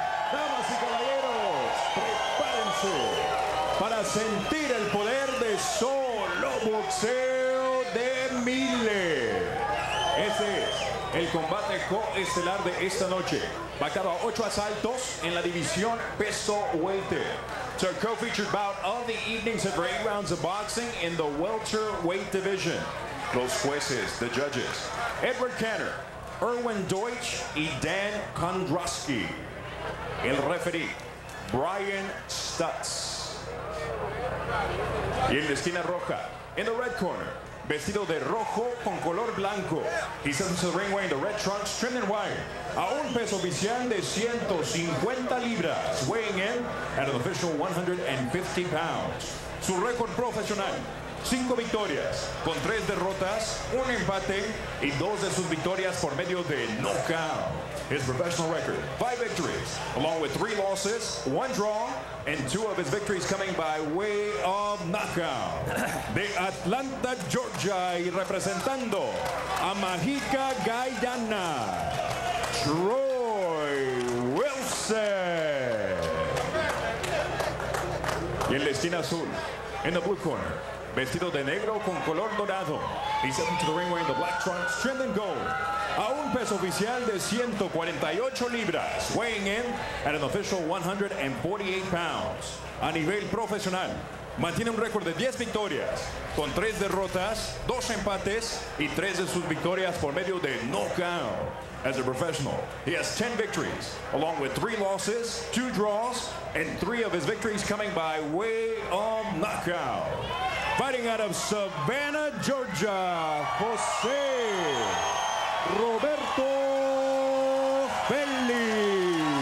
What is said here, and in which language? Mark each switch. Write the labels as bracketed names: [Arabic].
[Spanish] Damas y caballeros, prepárense para sentir el poder de solo boxeo de miles. Este es el combate coestelar de esta noche. Vacado a 8 asaltos en la división peso welter. [English] It's our co-featured bout of the evening, for 8 rounds of boxing in the welterweight division. [Spanish] Los jueces, [English] the judges, [Spanish] Edward Kanner, Erwin Deutsch y Dan Kondrowski. El referee, Brian Stutz. Y en la esquina roja, [English] in the red corner, [Spanish] vestido de rojo con color blanco. [English] He sits in the ring wearing the red trunks trimmed in white. [Spanish] A un peso oficial de 150 libras. [English] Weighing in at an official 150 pounds. [Spanish] Su récord profesional, 5 victorias con 3 derrotas, un empate y 2 de sus victorias por medio de knockout. [English] His professional record, 5 victories, along with 3 losses, 1 draw, and 2 of his victories coming by way of knockout. [Spanish] De Atlanta, Georgia, y representando a Mágica Guyana, Troy Wilson. Y en la esquina azul, [English] in the blue corner, [Spanish] vestido de negro con color dorado. [English] He sets into the ring wearing the black trunks, trimmed in gold. [Spanish] A un peso oficial de 148 libras. [English] Weighing in at an official 148 pounds. [Spanish] A nivel profesional, mantiene un récord de 10 victorias. Con 3 derrotas, 2 empates y 3 de sus victorias por medio de knockout. [English] As a professional, he has 10 victories, along with 3 losses, 2 draws, and 3 of his victories coming by way of knockout. Fighting out of Savannah, Georgia, José Roberto Félix.